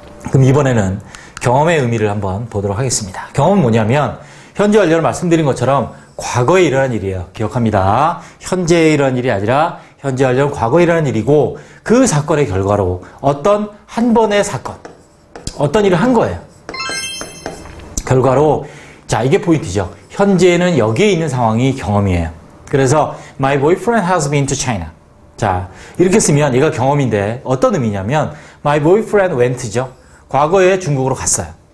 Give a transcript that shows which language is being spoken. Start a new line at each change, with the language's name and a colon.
Korean: 그럼 이번에는 경험의 의미를 한번 보도록 하겠습니다. 경험은 뭐냐면 현재 완료를 말씀드린 것처럼 과거에 일어난 일이에요. 기억합니다. 현재에 일어난 일이 아니라 현재 완료는 과거에 일어난 일이고 그 사건의 결과로 어떤 한 번의 사건, 어떤 일을 한 거예요. 결과로, 자 이게 포인트죠. 현재에는 여기에 있는 상황이 경험이에요. 그래서
English: My boyfriend has been to China.
Korean: 자 이렇게 쓰면 얘가 경험인데 어떤 의미냐면
English: My boyfriend went
Korean: 죠. 과거에 중국으로 갔어요.